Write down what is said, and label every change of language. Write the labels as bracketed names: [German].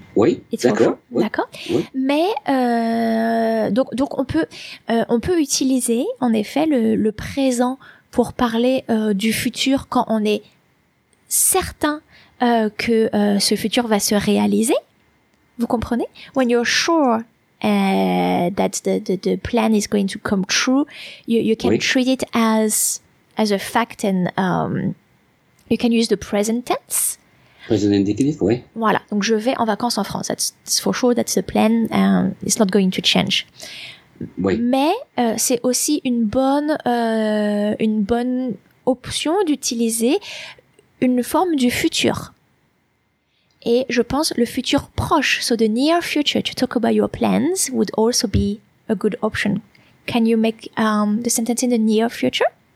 [French] Oui, d'accord. Oui, d'accord. Oui. Mais, donc on peut utiliser, en effet, le présent pour parler du futur quand on est certain que ce futur va se réaliser. Vous comprenez? [English] When you're sure that the plan is going to come true, you can [French] oui. [English] treat it as a fact and you can use the present tense. Present indicative, [French] oui. Voilà, donc je vais en vacances en France. [English] That's for sure, that's the plan. It's not going to change. [French] Oui. Mais c'est aussi une bonne option d'utiliser une forme du futur. Et je pense le futur proche, [English] so the near future, [French] to talk about your plans would also be a good option. [English] Can you make the sentence in the near future?